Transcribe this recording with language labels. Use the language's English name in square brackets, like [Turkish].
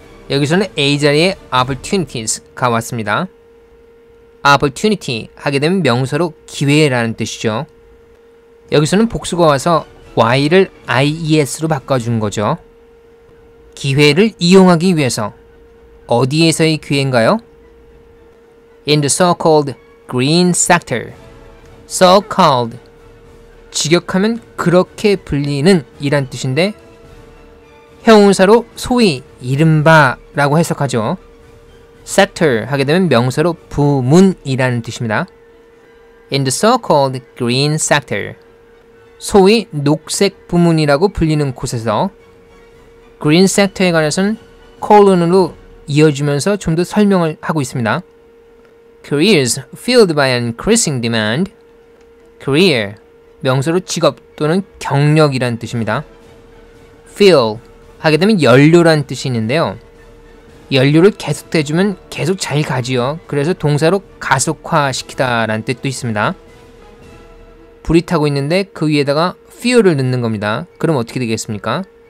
[Korean] 여기서는 A 자리에 opportunities 가 왔습니다. opportunity 하게 되면 명사로 기회라는 뜻이죠. 여기서는 복수가 와서 Y를 IES로 바꿔준 거죠. 기회를 이용하기 위해서 어디에서의 기회인가요? [English] In the so-called green sector. [Korean] So-called 직역하면 그렇게 불리는 이란 뜻인데 형용사로 소위 이른바 라고 해석하죠. sector 하게 되면 명사로 부문이라는 뜻입니다. [English] In the so-called green sector [Korean] 소위 녹색 부문이라고 불리는 곳에서 green sector에 관해서는 colon으로 이어지면서 좀 더 설명을 하고 있습니다. [English] careers filled by an increasing demand career [Korean] 명사로 직업 또는 경력이라는 뜻입니다. fill 하게 되면 연료란 뜻이 있는데요. 연료를 계속 대주면 계속 잘 가지요. 그래서 동사로 가속화시키다 라는 뜻도 있습니다. 불이 타고 있는데 그 위에다가 fuel을 넣는 겁니다. 그럼 어떻게 되겠습니까?